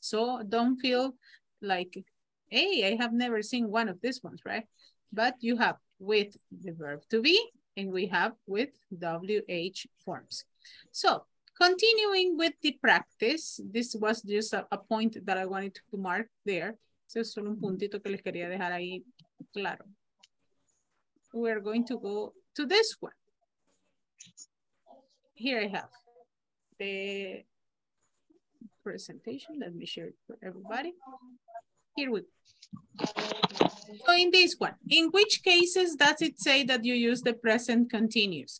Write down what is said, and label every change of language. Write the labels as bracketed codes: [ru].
[en] So don't feel like, hey, I have never seen one of these ones, right? But you have with the verb to be, and we have with WH forms. So continuing with the practice, this was just a point that I wanted to mark there. [es] Eso es solo un puntito que les quería dejar ahí claro. [en] We are going to go to this one. Here I have the presentation. Let me share it for everybody. Here we go. So in this one, in which cases does it say that you use the present continuous?